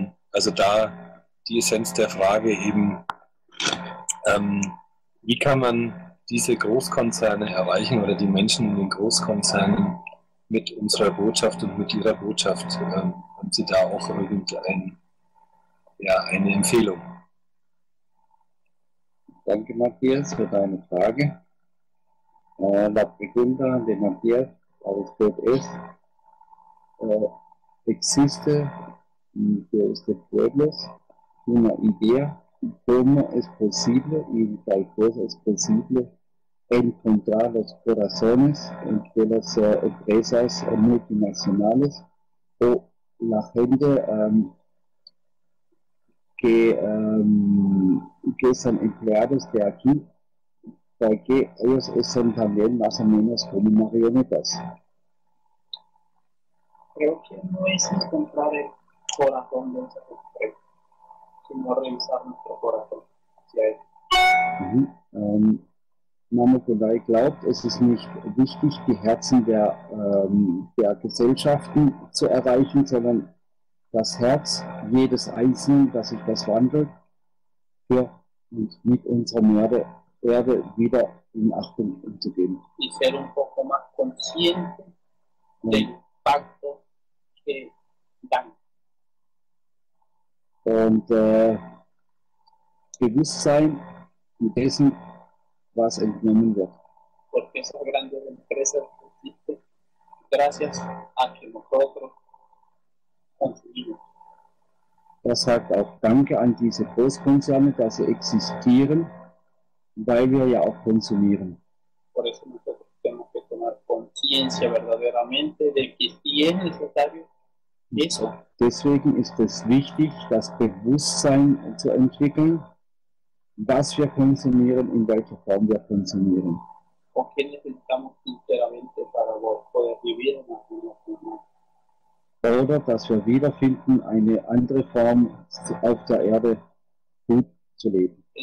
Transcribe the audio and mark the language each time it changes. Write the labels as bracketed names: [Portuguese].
[German] Also da die Essenz der Frage eben, wie kann man diese Großkonzerne erreichen oder die Menschen in den Großkonzernen mit unserer Botschaft und mit Ihrer Botschaft, haben Sie da auch eine Empfehlung? Danke, Matthias, für deine Frage. [Spanish] La pregunta de Matthias a usted es, ¿existe de usted pueblos una idea cómo es posible y tal cosa es posible encontrar los corazones entre las empresas multinacionales o la gente que son empleados de aquí, porque ellos son también más o menos como marionetas? Creo que no es encontrar el corazón de esa empresa, sino revisar nuestro corazón hacia él. [German] Namukodai glaubt, es ist nicht wichtig, die Herzen der Gesellschaften zu erreichen, sondern das Herz jedes Einzelnen, dass sich das wandelt, für und mit unserer Erde wieder in Achtung umzugehen. [Spanish] Y ser un poco más consciente del impacto que dan. [German] Und gewiss sein, mit dessen was entnommen wird. [Spanish] Porque esas grandes empresas existen gracias a que nosotros consumimos. [German] Er sagt auch Danke an diese Großkonzerne, dass sie existieren, weil wir ja auch konsumieren. [Spanish] Por eso nosotros tenemos que tomar conciencia. conciencia verdaderamente de que sí es necesario eso. [German] Deswegen ist es wichtig, das Bewusstsein zu entwickeln, was wir konsumieren, in welcher Form wir konsumieren. [Spanish] ¿O qué necesitamos sinceramente para poder vivir en la vida? [German] Oder dass wir wiederfinden, eine andere Form auf der Erde gut zu leben.